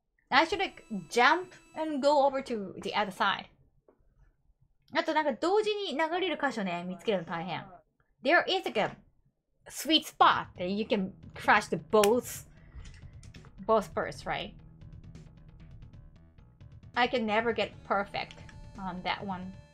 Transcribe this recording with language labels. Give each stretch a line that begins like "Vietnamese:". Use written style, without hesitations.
English: I should like jump and go over to the other side.
Japanese: あとなんか同時に流れる箇所ね、見つけるの大変。
English: There is like a sweet spot that you can crash the both first, right? I can never get perfect on that one.